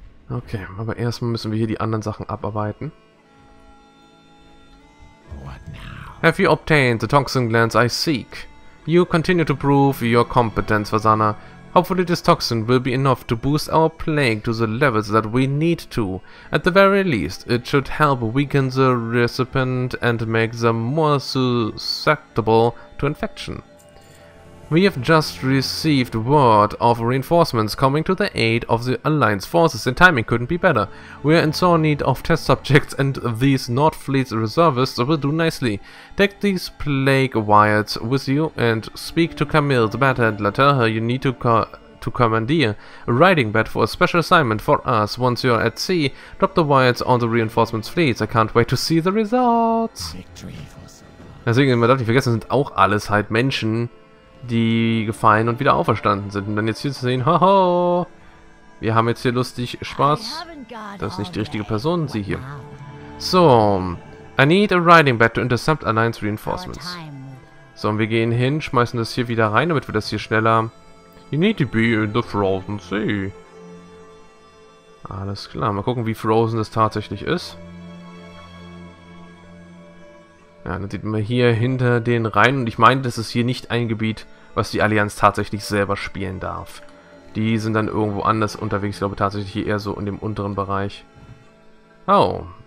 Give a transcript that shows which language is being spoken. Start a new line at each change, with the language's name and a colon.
German: Okay, aber erstmal müssen wir hier die anderen Sachen abarbeiten.
English: Have you obtained the toxin glands I seek? You continue to prove your competence, Vasana. Hopefully this toxin will be enough to boost our plague to the levels that we need to. At the very least, it should help weaken the recipient and make them more susceptible to infection. We have just received word of reinforcements coming to the aid of the Alliance forces. The timing couldn't be better. We are in sore need of test subjects, and these Nordfleet reservists will do nicely. Take these plague wires with you and speak to Camille, the bartender. Tell her you need to commandeer a riding bed for a special assignment for us. Once you're at sea, drop the wires on the reinforcements fleets. I can't wait to see the results. Victory for
German: Deswegen, man darf nicht vergessen, sind auch alles halt Menschen, die gefallen und wieder auferstanden sind. Und dann jetzt hier zu sehen, hoho, wir haben jetzt hier lustig Spaß. Das ist nicht die richtige Person, sie hier.
English: So, I need a riding bed to intercept Alliance Reinforcements.
German: So, und wir gehen hin, schmeißen das hier wieder rein, damit wir das hier schneller...
English: You need to be in the Frozen Sea.
German: Alles klar, mal gucken, wie Frozen das tatsächlich ist. Ja, dann sieht man hier hinter den Reihen, und ich meine, das ist hier nicht ein Gebiet, was die Allianz tatsächlich selber spielen darf. Die sind dann irgendwo anders unterwegs, ich glaube tatsächlich hier eher so in dem unteren Bereich. Oh.